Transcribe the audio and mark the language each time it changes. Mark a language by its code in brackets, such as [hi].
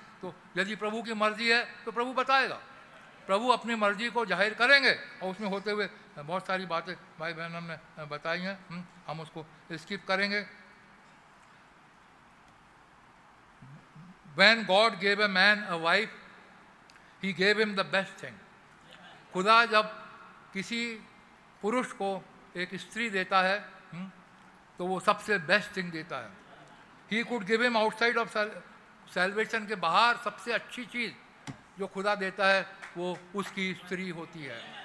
[hi] तो यदि प्रभु की मर्जी है तो प्रभु बताएगा, प्रभु अपनी मर्जी को जाहिर करेंगे। और उसमें होते हुए बहुत सारी बातें भाई बहन हमने बताई हैं, हम उसको स्किप करेंगे। [en] When God gave a man a wife, He gave him the best thing. [hi] खुदा जब किसी पुरुष को एक स्त्री देता है तो वो सबसे बेस्ट थिंग देता है। [en] He could give him outside of salvation [hi] के बाहर सबसे अच्छी चीज़ जो खुदा देता है वो उसकी स्त्री होती है।